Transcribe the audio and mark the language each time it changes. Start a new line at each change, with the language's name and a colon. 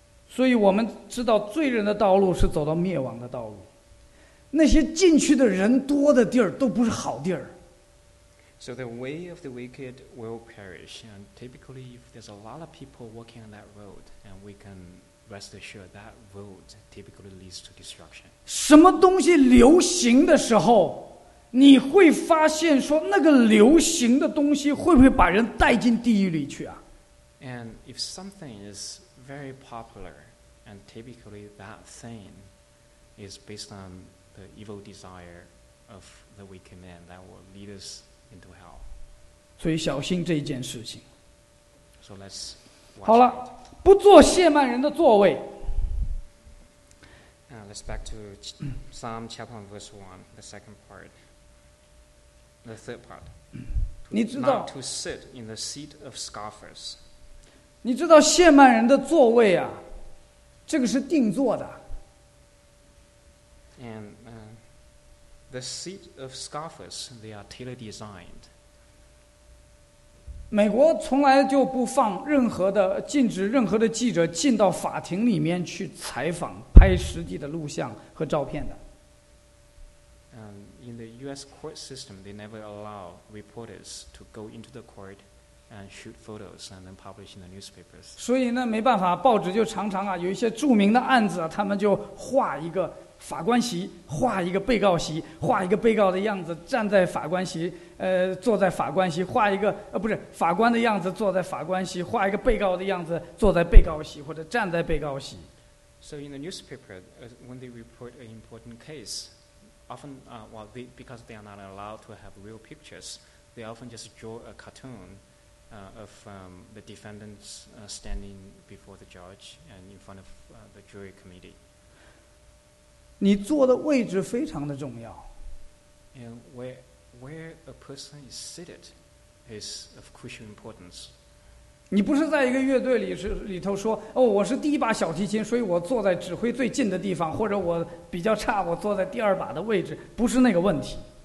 English: So we know that the path of sin is to go to the path of destruction. Those people who enter are not good places. So the way of the wicked will perish, and typically if there's a lot of people walking on that road, and we can rest assured that road typically leads to destruction.
Chinese: 什么东西流行的时候，你会发现说那个流行的东西会不会把人带进地狱里去啊？
English: And if something is very popular, and typically that thing is based on the evil desire of the wicked man, that will lead us into hell.
Chinese: 所以小心这一件事情。
English: So let's watch.
Chinese: 好了，不做亵慢人的座位。
English: Let's back to Psalm chapter 1, verse 1, the second part, the third part.
Chinese: 你知道
English: not to sit in the seat of scoffers.
Chinese: 你知道亵慢人的座位啊，这个是定做的。
English: And the seat of scoffers, they are tailor designed.
Chinese: 美国从来就不放任何的禁止任何的记者进到法庭里面去采访拍实际的录像和照片的。
English: In the U.S. court system, they never allow reporters to go into the court and shoot photos and then publish in the newspapers.
Chinese: 所以呢，没办法，报纸就常常啊，有一些著名的案子啊，他们就画一个法官席，画一个被告席，画一个被告的样子站在法官席，坐在法官席，画一个不是法官的样子坐在法官席，画一个被告的样子坐在被告席或者站在被告席。
English: So in the newspaper, when they report an important case. Often, because they are not allowed to have real pictures, they often just draw a cartoon of the defendants standing before the judge and in front of the jury committee.
Chinese: 你坐的位置非常的重要。
English: And where a person is seated is of crucial importance.
Chinese: 你不是在一个乐队里头说，哦，我是第一把小提琴，所以我坐在指挥最近的地方，或者我比较差，我坐在第二把的位置，不是那个问题。